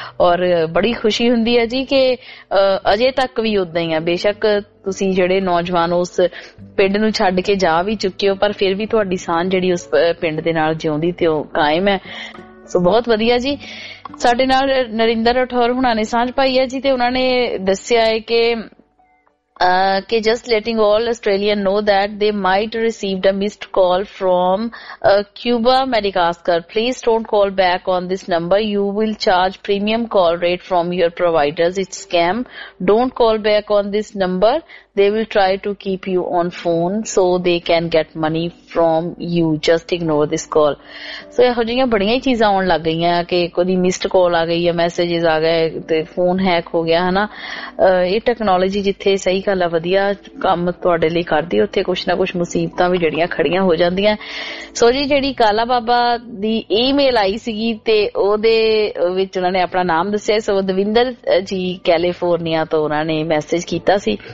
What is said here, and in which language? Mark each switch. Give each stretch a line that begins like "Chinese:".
Punjabi: ਔਰ ਬੜੀ ਖੁਸ਼ੀ ਹੁੰਦੀ ਹੈ ਜੀ ਕਿ ਅਜੇ ਤੱਕ ਵੀ ਉੱਦਾਂ ਹੀ ਆ, ਬੇਸ਼ੱਕ ਤੁਸੀਂ ਜਿਹੜੇ ਨੌਜਵਾਨ ਉਸ ਪਿੰਡ ਨੂੰ ਛੱਡ ਕੇ ਜਾ ਵੀ ਚੁੱਕੇ ਹੋ, ਪਰ ਫਿਰ ਵੀ ਤੁਹਾਡੀ ਸਾਂਝ ਜਿਹੜੀ ਉਸ ਪਿੰਡ ਦੇ ਨਾਲ ਜਿਉਂਦੀ ਤੇ ਉਹ ਕਾਇਮ ਹੈ। ਸੋ ਬਹੁਤ ਵਧੀਆ ਜੀ। ਸਾਡੇ ਨਾਲ ਨਰਿੰਦਰ ਰਾਠੌਰ ਹੁਣਾਂ ਨੇ ਸਾਂਝ ਪਾਈ ਹੈ ਜੀ, ਤੇ ਉਹਨਾਂ ਨੇ ਦੱਸਿਆ ਹੈ ਕਿ
English: just letting all Australian know that they might received a missed call from Cuba Madagascar. Please don't call back on this number. You will charge premium call rate from your providers. It's scam. Don't call back on this number. They will try to keep you on phone so they can get money from you. Just ignore this call.
Punjabi: So, ਇਹੋ ਜਿਹੀਆਂ ਬੜੀਆਂ ਹੀ ਚੀਜ਼ਾਂ ਆਉਣ ਲੱਗ ਗਈਆਂ ਕਿ ਕੋਈ missed ਕਾਲ ਆ ਗਈ ਹੈ, ਮੈਸੇਜਿਸ ਆ ਗਏ ਤੇ ਫੋਨ ਹੈਕ ਹੋ ਗਿਆ, ਹੈ ਨਾ। ਇਹ ਟੈਕਨੋਲੋਜੀ ਜਿੱਥੇ ਸਹੀ ਗੱਲ ਆ ਵਧੀਆ ਕੰਮ ਤੁਹਾਡੇ ਲਈ ਕਰਦੀ, ਉੱਥੇ ਕੁਛ ਨਾ ਕੁਛ ਮੁਸੀਬਤਾਂ ਵੀ ਜਿਹੜੀਆਂ ਖੜੀਆਂ ਹੋ ਜਾਂਦੀਆਂ। ਸੋ ਜਿਹੜੀ ਕਾਲਾ ਬਾਬਾ ਦੀ ਈ ਮੇਲ ਆਈ ਸੀਗੀ ਤੇ ਉਹਦੇ ਵਿੱਚ ਉਹਨਾਂ ਨੇ ਆਪਣਾ ਨਾਮ ਦੱਸਿਆ, ਸੋ ਦਵਿੰਦਰ ਜੀ ਕੈਲੀਫੋਰਨੀਆ ਤੋਂ ਉਹਨਾਂ ਨੇ ਮੈਸੇਜ ਕੀਤਾ ਸੀ।